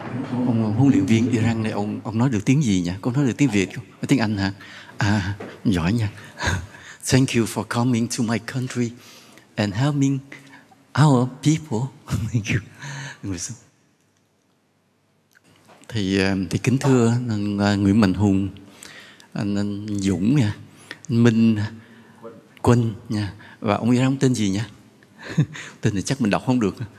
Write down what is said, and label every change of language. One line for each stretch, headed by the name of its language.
Vietnamese: Huấn luyện viên Iran này, ông nói được tiếng gì nhỉ? Có nói được tiếng Việt không? Tiếng Anh hả? À, giỏi nha.
English: Thank you for coming to my country and helping our people. Thank you.
Vietnamese: Thì kính thưa Nguyễn Mạnh Hùng, anh Dũng nha, Minh Quân nha, và ông Iran tên gì nhỉ? Tên này chắc mình đọc không được.